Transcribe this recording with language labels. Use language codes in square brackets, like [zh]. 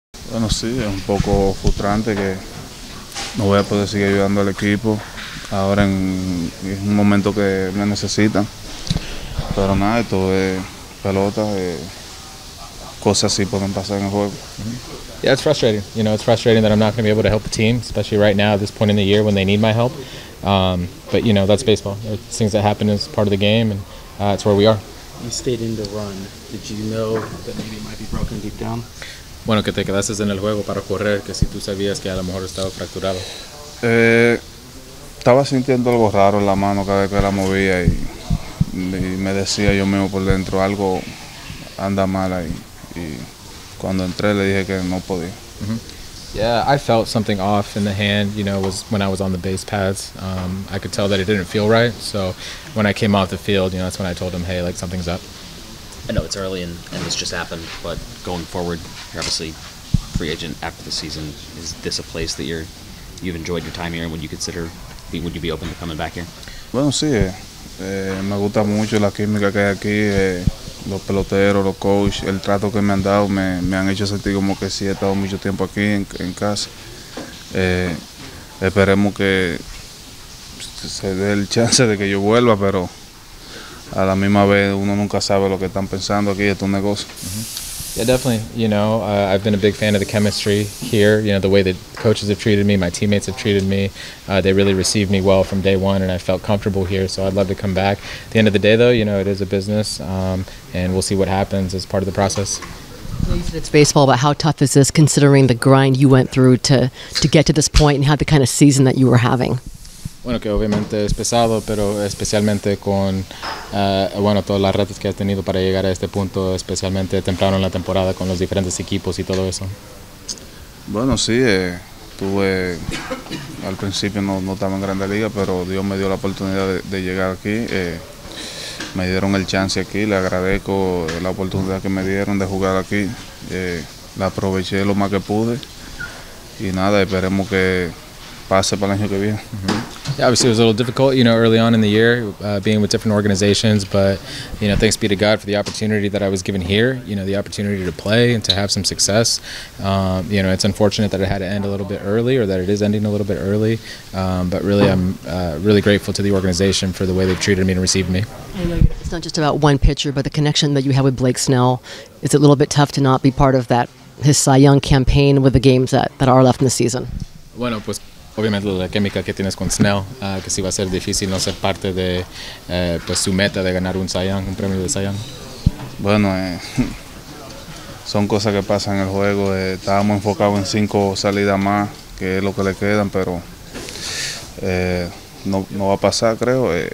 [es] Bueno, sí, es un poco frustrante que no voy a poder seguir ayudando al equipo ahora en un momento que me necesitan. Pero nada, esto es pelota, cosas así pueden pasar en el juego. [en] Yeah, it's frustrating. You know, it's frustrating that I'm not going to be able to help the team, especially right now at this point in the year when they need my help. But, you know, that's baseball. It's things that happen as part of the game, and it's where we are. You stayed in the run. Did you know that maybe it might be broken deep down? [es] Bueno, que te quedases en el juego para correr, que si tú sabías que a lo mejor estaba fracturado. Estaba sintiendo algo raro en la mano cada vez que la movía y me decía yo mismo por dentro, algo anda mal ahí. Y cuando entré le dije que no podía. [en] Yeah, I felt something off in the hand, you know, was when I was on the base pads. I could tell that it didn't feel right. So when I came off the field, you know, that's when I told him, hey, like something's up. I know it's early and this just happened, but going forward, you're obviously free agent after the season. Is this a place that you've enjoyed your time here? And would you be open to coming back here? [es] Bueno, sí. Me gusta mucho la química que hay aquí. Los peloteros, los coaches, el trato que me han dado me han hecho sentir como que sí he estado mucho tiempo aquí en casa. Esperemos que se dé el chance de que yo vuelva, pero a la misma vez uno nunca sabe lo que están pensando aquí, es un negocio. [en] Yeah, definitely. You know, I've been a big fan of the chemistry here. You know, the way that coaches have treated me, my teammates have treated me. They really received me well from day one, and I felt comfortable here, so I'd love to come back. At the end of the day, though, you know, it is a business, and we'll see what happens as part of the process. It's baseball, but how tough is this, considering the grind you went through to get to this point and have the kind of season that you were having? [es] Bueno, que obviamente es pesado, pero especialmente con bueno, todas las retas que has tenido para llegar a este punto, especialmente temprano en la temporada con los diferentes equipos y todo eso. Bueno, sí, tuve al principio no estaba en Grandes Ligas, pero Dios me dio la oportunidad de llegar aquí. Me dieron el chance aquí, le agradezco la oportunidad que me dieron de jugar aquí. La aproveché lo más que pude y nada, esperemos que pase para el año que viene. [en] Yeah, obviously, it was a little difficult, you know, early on in the year, being with different organizations. But, you know, thanks be to God for the opportunity that I was given here, you know, the opportunity to play and to have some success. You know, it's unfortunate that it had to end a little bit early or that it is ending a little bit early. But really, I'm really grateful to the organization for the way they've treated me and received me. It's not just about one pitcher, but the connection that you have with Blake Snell. Is it a little bit tough to not be part of that, his Cy Young campaign with the games that are left in the season? [es] Bueno, pues, obviamente la química que tienes con Snell, que sí va a ser difícil no ser parte de pues su meta de ganar un Cy Young, un premio de Cy Young. Bueno, son cosas que pasan en el juego. Estábamos enfocados en 5 salidas más, que es lo que le quedan, pero no va a pasar, creo.